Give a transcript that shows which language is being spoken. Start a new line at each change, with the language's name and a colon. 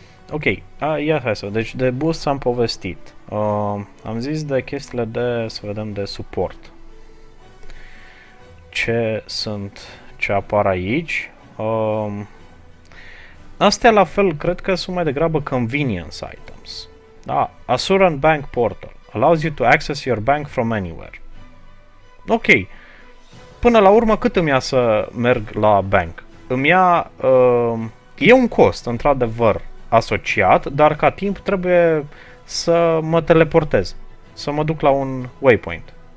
Romanian: Ok, ia hai să, deci de boost am povestit. Am zis de chestiile de, să vedem, de suport. Ce sunt, ce apar aici? Astea la fel, cred că sunt mai degrabă convenience items.
English: Da, Asuran Bank Portal allows you to access your bank from anywhere.
Romanian: Ok, până la urmă cât îmi ia să merg la bank? Îmi ia, e un cost, într-adevăr. Asociat, dar ca timp trebuie să mă teleportez, să mă duc la un waypoint.